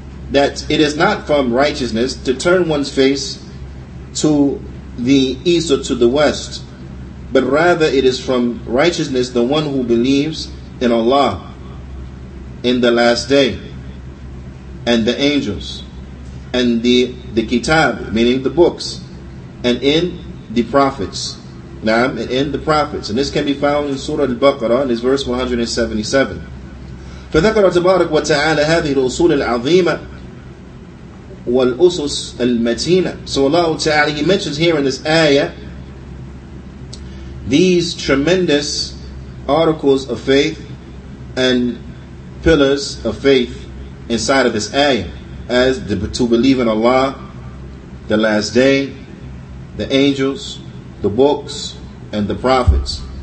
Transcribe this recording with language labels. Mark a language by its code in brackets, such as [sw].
[en] That it is not from righteousness to turn one's face to the east or to the west, but rather it is from righteousness the one who believes in Allah, in the last day, and the angels, and the kitab, meaning the books, and in the prophets. Na'am, and in the prophets. And this can be found in Surah Al-Baqarah, in this verse 177. [ar] فذكر تبارك وتعالى هذه الأصول العظيمة والأسس المتينة. [en] So Allah Ta'ala, He mentions here in this ayah these tremendous articles of faith and pillars of faith inside of this ayah, as to believe in Allah, the last day, the angels, the books, and the prophets.